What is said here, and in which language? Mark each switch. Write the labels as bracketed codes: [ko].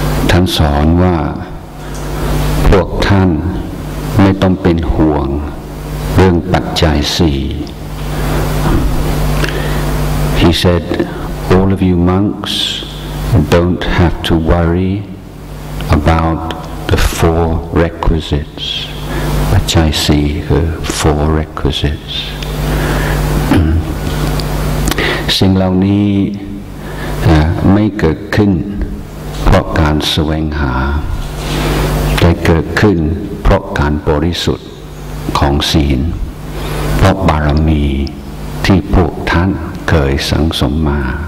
[th] ท่านสอนว่าพวกท่านไม่ต้องเป็นห่วงเรื่องปัจจัยสี่ [en] He said, all of you monks don't have to worry about the four requisites. Which I see the four requisites. [th] สิ่งเหล่านี้ไม่เกิดขึ้นเพราะการแสวงหาแต่เกิดขึ้นเพราะการบริสุทธิ์ของศีลเพราะบารมีที่พวกท่านเคยสั่งสมมา